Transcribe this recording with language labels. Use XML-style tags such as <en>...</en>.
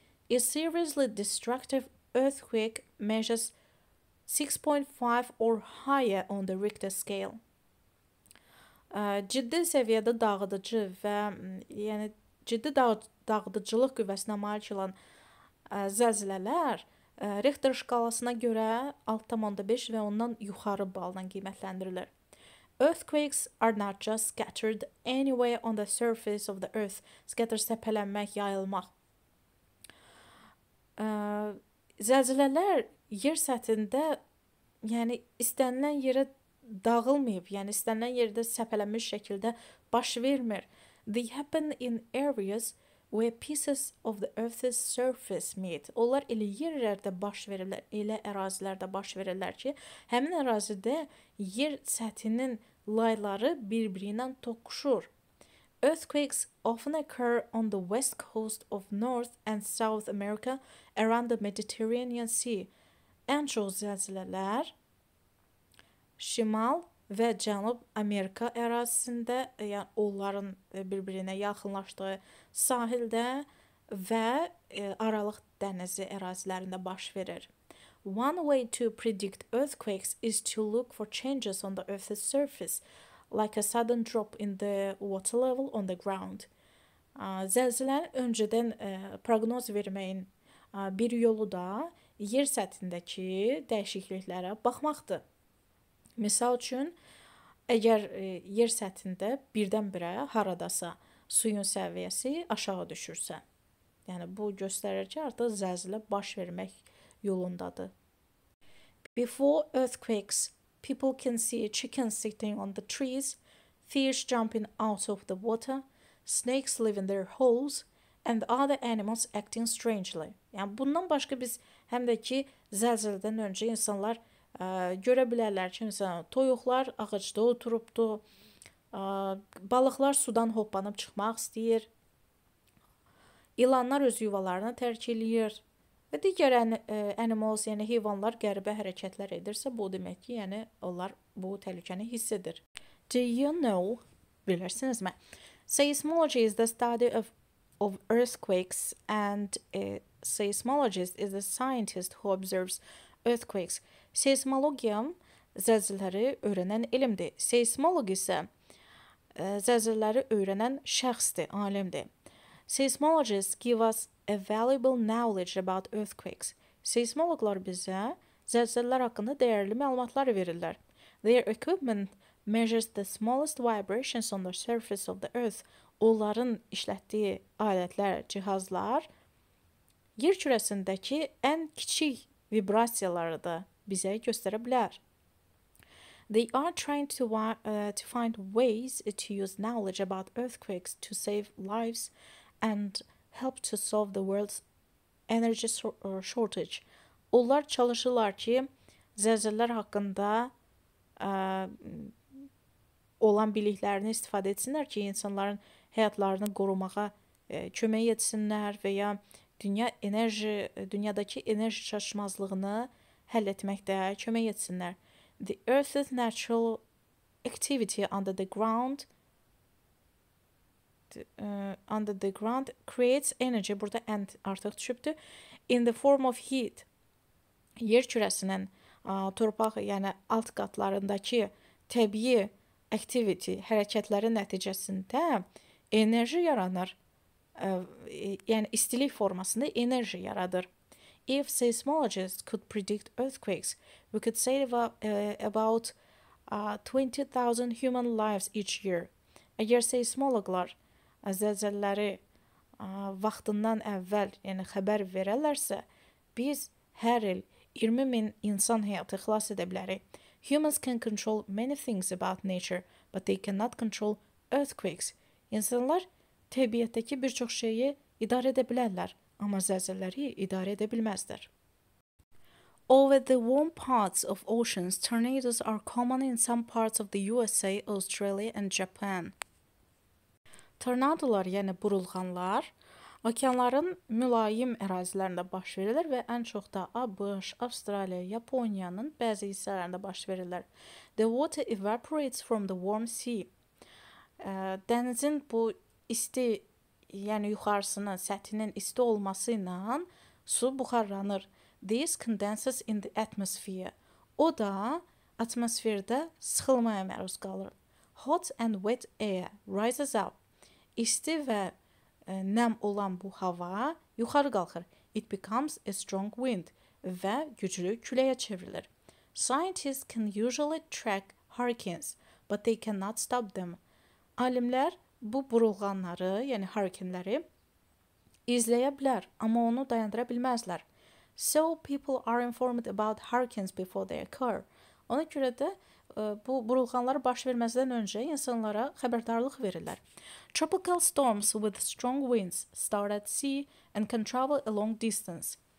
<en>A seriously destructive earthquake measures 6.5 or higher on the Richter scale.</en> <az>Ciddi səviyyədə dağıdıcı və yəni ciddi dağıdıcılıq qüvvəsinə malik olan zəlzələlər Richter şkalasına görə 6.5 və ondan yuxarı balla qiymətləndirilir.</az> <en>Earthquakes are not just scattered anywhere on the surface of the earth.</en> <az>Scatter səpələnmək, yayılmaq. Zəlzələlər yer səthində, yəni istənilən yerə dağılmayıb, yəni istənilən yerdə səpələnmiş şəkildə baş vermir.</az> <en>They happen in areas where pieces of the earth's surface meet.</en> <az>Onlar elə yerlərdə baş verirlər, elə ərazilərdə baş verirlər ki, həmin ərazidə yer səthinin layları bir-birinə toqquşur.</az> <en>Earthquakes often occur on the west coast of North and South America around the Mediterranean Sea.</en> <az>Ən çox zəlzələlər Şimal və Cənub Amerika ərazisində, yəni onların bir-birinə yaxınlaşdığı sahildə və Aralıq dənizi ərazilərində baş verir.</az> <en>One way to predict earthquakes is to look for changes on the earth's surface, like a sudden drop in the water level on the ground.</en> <az>Zəlzələni öncədən proqnoz verməyin bir yolu da yer səthindəki dəyişikliklərə baxmaqdır. Misal üçün, əgər yer səthində birdən-birə haradasa suyun səviyyəsi aşağı düşürsə, yəni bu göstərir ki, artıq zəlzələ baş vermək yolundadır.</az> <en>Before earthquakes, people can see chickens sitting on the trees, fish jumping out of the water, snakes live in their holes, and other animals acting strangely.</en> <az>Yəni, bundan başqa biz həm də ki, zəlzələdən öncə insanlar görə bilərlər ki, məsələn, toyuqlar ağacda oturubdu, balıqlar sudan hoppanıb çıxmaq istəyir, ilanlar öz yuvalarını tərk eləyir və digər animals, yəni heyvanlar qəribə hərəkətlər edirsə, bu demək ki, yəni onlar bu təhlükəni hiss edir.</az> <en>Do you know,</en> <az>bilirsinizmə,</az> <en>seismology is the study of earthquakes and a seismologist is a scientist who observes earthquakes.</en> <az>Seismologiya zəlzələri öyrənən elmdir. Seismolog isə zəlzələri öyrənən şəxsdir, alimdir.</az> <en>Seismologists give us a valuable knowledge about earthquakes.</en> <az>Seismologlar bizə zəlzələr haqqında dəyərli məlumatlar verirlər.</az> <en>Their equipment measures the smallest vibrations on the surface of the earth.</en> <az>Onların işlətdiyi alətlər, cihazlar yer kürəsindəki ən kiçik vibrasiyaları da bizə göstərə bilər.</az> <en>They are trying to find ways to use knowledge about earthquakes to save lives and help to solve the world's energy shortage.</en> <az>Onlar çalışırlar ki, zəlzələr haqqında olan biliklərini istifadə etsinlər ki, insanların həyatlarını qorumağa kömək etsinlər və ya dünyadakı enerji çatışmazlığını həll etməkdə kömək etsinlər.</az> <en>The Earth's natural activity under the ground creates energy,</en> <az>burada and artıq düşübdür,</az> <en>in the form of heat.</en> <az>Yer kürəsinin torpaq, yəni alt qatlarındakı təbii activity, hərəkətləri nəticəsində enerji yaranır. Yəni istilik formasında enerji yaradır.</az> <en>If seismologists could predict earthquakes, we could save about 20,000 human lives each year.</en> <az>Əgər seismologlar zəlzələləri vaxtından əvvəl, yəni xəbər verərlərsə, biz hər il 20,000 insan həyatı xilas edə bilərik.</az> <en>Humans can control many things about nature, but they cannot control earthquakes.</en> <az>İnsanlar təbiətdəki bir çox şeyi idarə edə bilərlər, amma zəlzələri idarə edə bilməzlər.</az> <en>Over the warm parts of oceans, tornadoes are common in some parts of the USA, Australia and Japan.</en> <az>Tornadolar, yəni burulğanlar, okeanların mülayim ərazilərində baş verirlər və ən çox da ABŞ, Avstraliya, Yaponiyanın bəzi hissələrində baş verirlər.</az> <en>The water evaporates from the warm sea.</en> <az>Dənizin bu isti, yəni yuxarısının, səthinin isti olması ilə su buxarlanır.</az> <en>This condenses in the atmosphere.</en> <az>O da atmosferdə sıxılmaya məruz qalır.</az> <en>Hot and wet air rises up.</en> <az>İsti və nəm olan bu hava yuxarı qalxır.</az> <en>It becomes a strong wind</en> <az>və güclü küləyə çevrilir.</az> <en>Scientists can usually track hurricanes, but they cannot stop them.</en> <az>Alimlər bu burulğanları, yəni hurricane-ləri, izləyə bilər, amma onu dayandıra bilməzlər.</az> <en>So people are informed about hurricanes before they occur.</en> <az>Ona görə də bu burulğanlar baş verməzdən öncə insanlara xəbərdarlıq verirlər.</az> <en>Tropical storms with strong winds start at sea and can travel a long distance.</en>